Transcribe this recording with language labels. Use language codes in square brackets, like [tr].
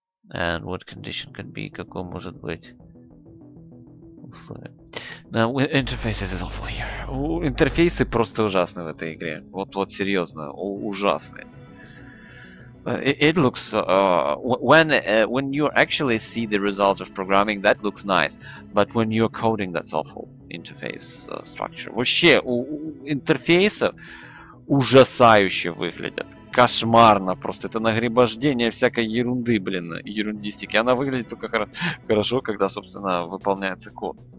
[en] And what condition can be? [ru] Какой может быть? [en] Now, interfaces is awful here. [ru] Интерфейсы просто ужасны в этой игре. Вот-вот, серьезно, ужасны. [en] It looks when you actually see the result of programming, that looks nice. But when you're coding, that's awful interface structure. [ru] Вообще интерфейсы ужасающе выглядят, кошмарно просто. Это нагребождение всякой ерунды, блин, ерундистики. Она выглядит только хорошо, когда, собственно, выполняется код.